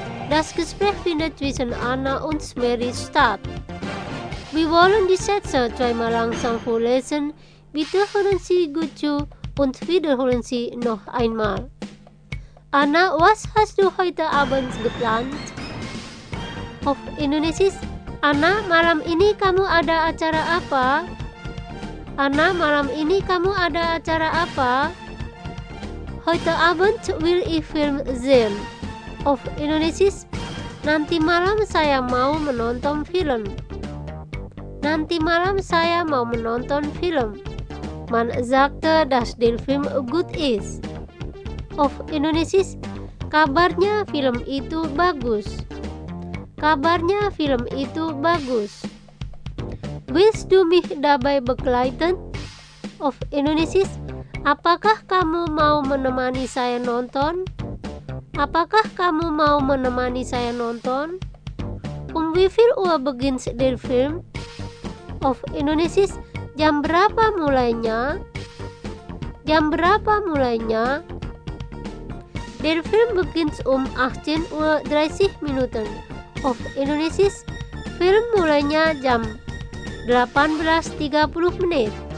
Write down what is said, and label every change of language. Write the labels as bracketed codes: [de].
[de] Das Gespräch findet zwischen Anna und Mary statt. Wir wollen die Sätze zweimal langsam vorlesen. Bitte hören Sie gut zu und wiederholen Sie noch einmal. Anna, was hast du heute Abend geplant? Auf Indonesisch. [id] Anna, malam ini kamu ada acara apa? Anna, malam ini kamu ada acara apa? [de] Heute Abend will ich Film sehen. [id] Of Indonesis, nanti malam saya mau menonton film. Nanti malam saya mau menonton film. [de] Man sagte, dass der Film gut ist. [id] Of Indonesis, kabarnya film itu bagus. Kabarnya film itu bagus. [de] Willst du mich dabei begleiten? [id] Of Indonesis, apakah kamu mau menemani saya nonton? Apakah kamu mau menemani saya nonton? [de] Um wie viel Uhr beginnt der Film? Of Indonesis, [id] jam berapa mulainya? Jam berapa mulainya? [de] Der Film beginnt um 18:30 Minuten. [id] Of Indonesis, film mulainya jam 18:30 menit.